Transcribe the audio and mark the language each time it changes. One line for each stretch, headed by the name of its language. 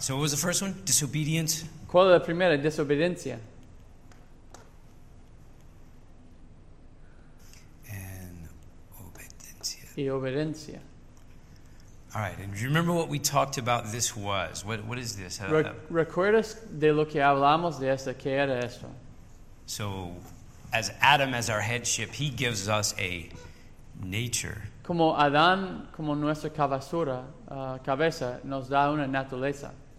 English: So what was the first one? Disobedience.
Spanish: ¿Cuál es la primera? Desobediencia.
English: And obediencia.
Spanish: Y obediencia.
English: All right, and do you remember what we talked about this was? What is this?
Spanish: ¿Recuerdas de lo que hablamos de esto? ¿Qué era esto?
English: So, as Adam, as our headship, he gives us a nature.
Spanish: Como Adán, como nuestra cabezura, cabeza, nos da una naturaleza.